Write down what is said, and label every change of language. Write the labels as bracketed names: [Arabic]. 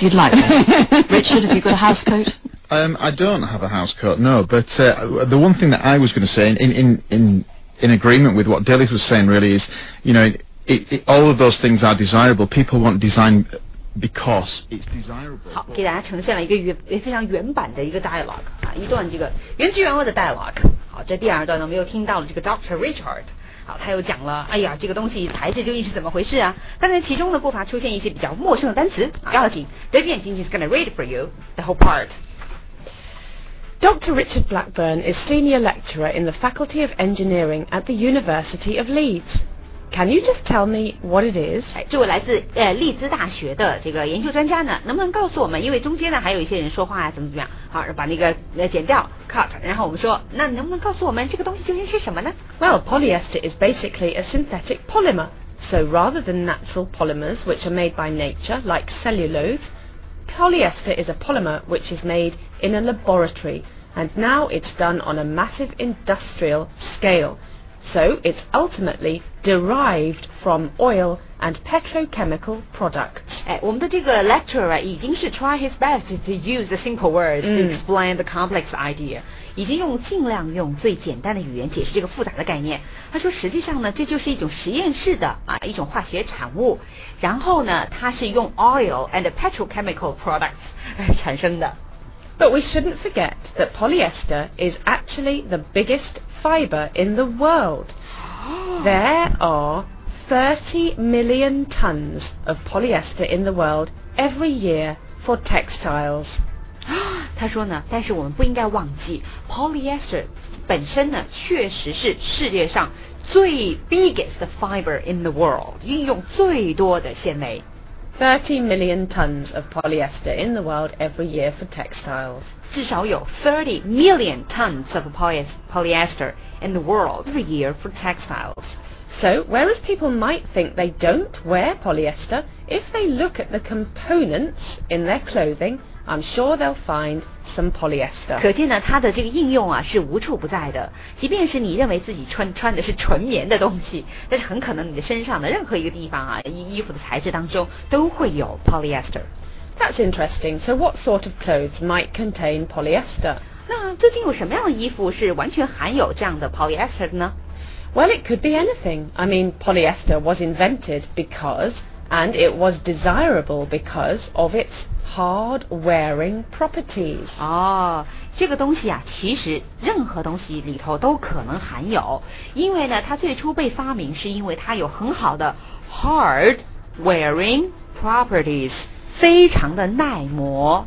[English] You'd like one. Richard, have you got a house coat? I don't have a house coat, no. But the one thing that I was going to say in agreement with what Dillis was saying, really, is, you know, all of those things are desirable. People want design because it's desirable. [Chinese] 好，给大家呈现了一个原非常原版的一个 dialogue 啊，一段这个原汁原味的 dialogue。好，这第二段呢，我们又听到了这个 Dr. Richard。好，他又讲了，哎呀，这个东西材质究竟是怎么回事啊？刚才其中呢，不乏出现一些比较陌生的单词。不要紧 [English] ，Vivian Jin is going to read for you the whole part. Dr. Richard Blackburn is Senior Lecturer in the Faculty of Engineering at the University of Leeds. Can you just tell me what it is? [Chinese] 这位来自利兹大学的这个研究专家呢，能不能告诉我们？因为中间呢还有一些人说话啊，怎么样？好，把那个剪掉 cut， 然后我们说，那能不能告诉我们这个东西究竟是什么呢 [English] ？Well, polyester is basically a synthetic polymer. So rather than natural polymers which are made by nature like cellulose, polyester is a polymer which is made in a laboratory, and now it's done on a massive industrial scale. So it's ultimately derived from oil and petrochemical products. [Chinese] 我们的这个 [English] lecturer [Chinese] 已经是 [English] try his best to use the simple words to explain the complex idea. [Chinese] 已经用尽量用最简单的语言解释这个复杂的概念。他说实际上呢，这就是一种实验室的一种化学产物。然后呢，它是用 [English] oil and petrochemical products [Chinese] 产生的。 [English] But we shouldn't forget that polyester is actually the biggest fiber in the world. There are 30 million tons of polyester in the world every year for textiles. [Chinese] 他说呢，但是我们不应该忘记 polyester 本身呢，确实是世界上最 [English] biggest fiber in the world， [Chinese] 运用最多的纤维。 [English] 30 million tons of polyester in the world every year for textiles. [Chinese] 至少有 [English] 30 million tons of polyester in the world every year for textiles. So, whereas people might think they don't wear polyester, if they look at the components in their clothing, I'm sure they'll find some polyester. [Chinese] 可见呢，它的这个应用啊是无处不在的。即便是你认为自己穿的是纯棉的东西，但是很可能你的身上的任何一个地方啊，衣服的材质当中都会有 polyester. [English] That's interesting. So what sort of clothes might contain polyester? [Chinese] 那究竟有什么样的衣服是完全含有这样的 polyester 的呢？ [English] Well, it could be anything. I mean, polyester was invented because, and it was desirable because of itshard wearing properties. [Chinese] 哦，这个东西啊，其实任何东西里头都可能含有，因为呢，它最初被发明是因为它有很好的 hard wearing properties， 非常的耐磨。